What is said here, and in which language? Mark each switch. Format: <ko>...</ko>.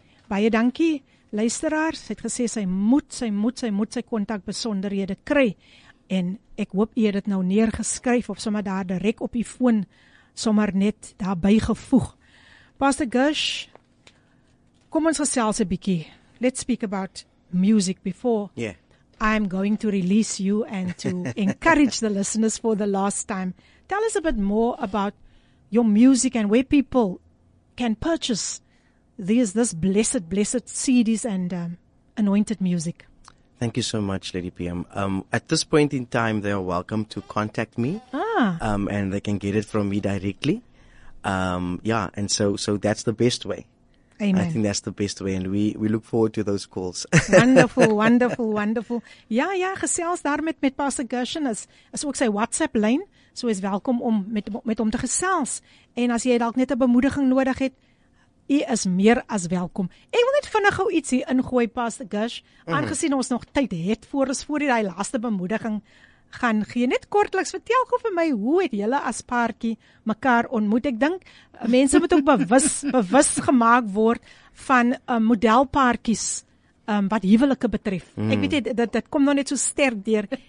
<af>Baie dankie luisteraars, sy het gesê sy moet sy kontak besonderhede kry. En ek hoop jy het dit nou neergeskryf of sommer daar direk op die foon sommer net daarby gevoeg. Pastor Gush, kom ons gesels 'n bietjie.</af> <en>Let's speak about music before. Yeah. I'm going to release you and to encourage the listeners for the last time. Tell us a bit more about your music and where people can purchase this blessed CDs and anointed music. Thank you so much, Lady PM. At this point in time, they are welcome to contact me. And they can get it from me directly. And so that's the best way. Amen. I think that's the best way. And we look forward to those calls.</en> <af>Wonderful. Ja, gesels daar met Pastor Gershon is ook sy WhatsApp lyn. So is welkom om met hom te gesels. En as jy dalk net 'n bemoediging nodig het, u is meer as welkom. Ek wil net vinnig gou iets hier ingooi, Pastor Gush, aangesien ons nog tyd het voor ons voor die laaste bemoediging gaan gee. Net kortliks, vertel gou vir my, hoe het julle as paartjie mekaar ontmoet? Ek dink, mense moet ook bewus gemaak word van modelpaartjies wat huwelike betref. Ek weet net, dit kom nou net so sterk deur.</af>